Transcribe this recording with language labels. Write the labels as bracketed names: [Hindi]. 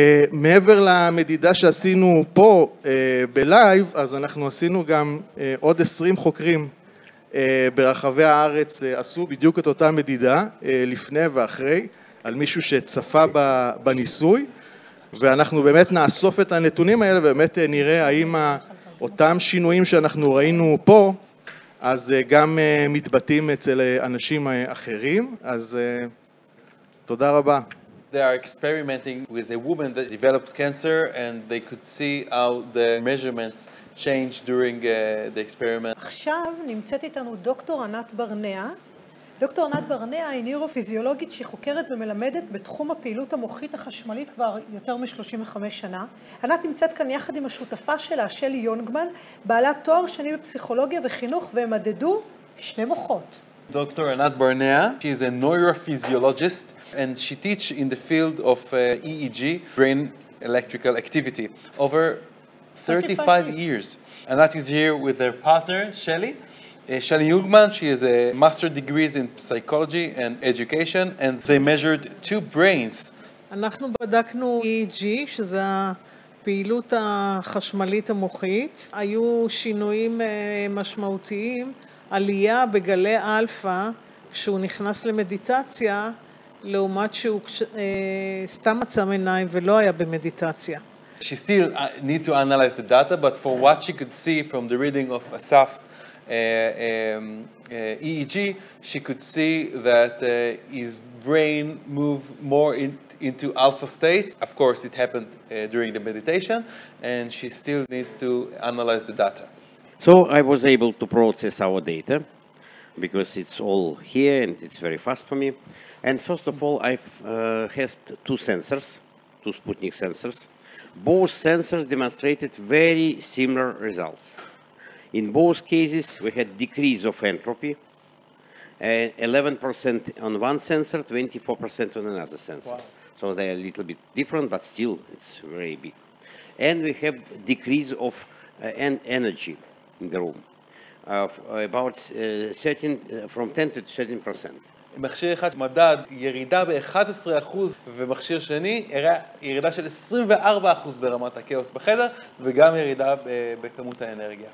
[Hebrew] מעבר למדידה שעשינו פה בלייב, אז אנחנו עשינו גם עוד 20 חוקרים ברחבי הארץ, עשו בדיוק את אותה מדידה, לפני ואחרי, על מישהו שצפה בניסוי, ואנחנו באמת נאסוף את הנתונים האלה, ובאמת נראה האם אותם שינויים שאנחנו ראינו פה, אז גם מתבטאים אצל אנשים אחרים, אז תודה רבה. [English] They are experimenting with a woman that developed cancer, and they could see how the measurements changed during the experiment. [Hebrew] עכשיו נמצאת איתנו דוקטור ענת ברנע. דוקטור ענת ברנע היא נוירופיזיולוגית שחוקרת ומלמדת בתחום הפעילות המוחית החשמלית כבר יותר מ-35 שנה. ענת נמצאת כאן יחד עם השותפה שלה, שלי יונגמן, בעלת תואר שני בפסיכולוגיה וחינוך, והם עדדו שני מוחות. [English] Dr. Anat Barnea, she is a neurophysiologist and she teaches in the field of EEG, brain electrical activity, over 35 years. Anat is here with her partner, Shelly. Shelly Jungmann, she has a master's degree in psychology and education, and they measured two brains. [Hebrew] אנחנו בדקנו EEG, שזה הפעילות החשמלית המוחית. היו שינויים משמעותיים. עלייה בגלי אלפא כשהוא נכנס למדיטציה לעומת שהוא סתם עצם עיניים ולא היה במדיטציה. [English] She still need to analyze the data, but for what she could see from the reading of Asaf's EEG, she could see that his brain move more into alpha state. Of course, it happened during the meditation, and she still needs to analyze the data. So I was able to process our data because it's all here and it's very fast for me. And first of all, I have two sensors, two Sputnik sensors. Both sensors demonstrated very similar results. In both cases, we had decrease of entropy, 11% on one sensor, 24% on another sensor. Wow. So they are a little bit different, but still it's very big. And we have decrease of energy in the room about 13 from 10 to 13%. [Hebrew] מכשיר אחד מדד ירידה ב-11% ומכשיר שני ירידה של 24% ברמת הכאוס בחדר וגם ירידה בכמות האנרגיה.